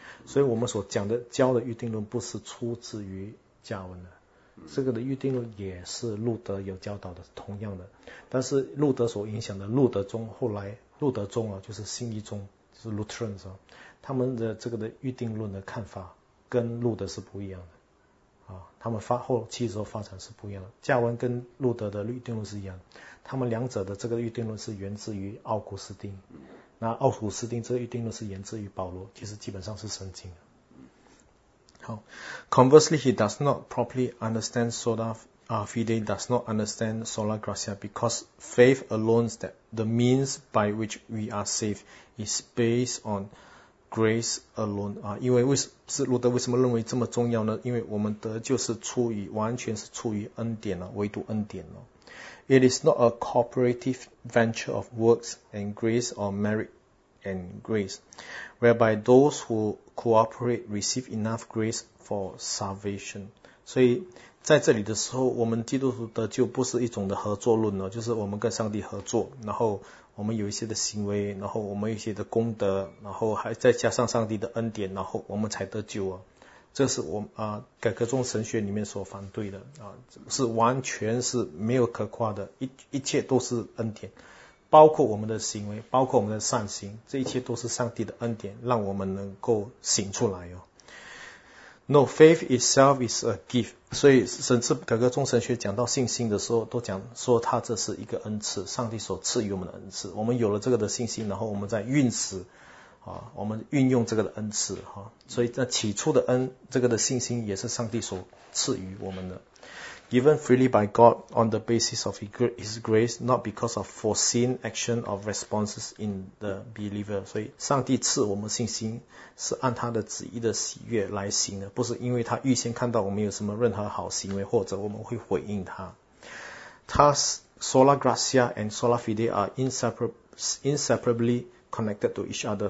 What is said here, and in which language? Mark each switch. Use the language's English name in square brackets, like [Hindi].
[Chinese] 所以我们所讲的教的预定论不是出自于加文的，这个的预定论也是路德有教导的同样的，但是路德所影响的路德宗，后来路德宗就是新一宗，就是 Lutherans 他们的这个的预定论的看法跟路德是不一样的他们后期的时候发展是不一样的。加文跟路德的预定论是一样，他们两者的这个预定论是源自于奥古斯丁，那奥古斯丁这个预定论是源自于保罗，其实基本上是圣经。 [English] 好 ，conversely he does not properly understand sola fide, does not understand sola gratia, because faith alone is that the means by which we are saved is based on grace alone [Chinese] 因为是路德为什么认为这么重要呢？因为我们得救是出于完全是出于恩典唯独恩典了。 [English] It is not a cooperative venture of works and grace or merit and grace, whereby those who cooperate receive enough grace for salvation. [Chinese] 所以在这里的时候，我们基督徒得救不是一种的合作论了，就是我们跟上帝合作，然后我们有一些的行为，然后我们有一些的功德，然后还再加上上帝的恩典，然后我们才得救啊。这是我改革中神学里面所反对的是完全是没有可夸的，一切都是恩典，包括我们的行为，包括我们的善行，这一切都是上帝的恩典，让我们能够醒出来哦。 [English] No, faith itself is a gift. [Chinese] 所以甚至改革中神学讲到信心的时候都讲说它这是一个恩赐，上帝所赐予我们的恩赐。我们有了这个的信心，然后我们再运使我们运用这个的恩赐所以那起初的恩，这个的信心也是上帝所赐予我们的。 [English] Given freely by God on the basis of His grace, not because of foreseen action or responses in the believer. [Chinese] 所以上帝赐我们信心是按他的旨意的喜悦来行的，不是因为他预先看到我们有什么任何好行为或者我们会回应他。 [English] Thus, sola gratia and sola fide are inseparably connected to each other.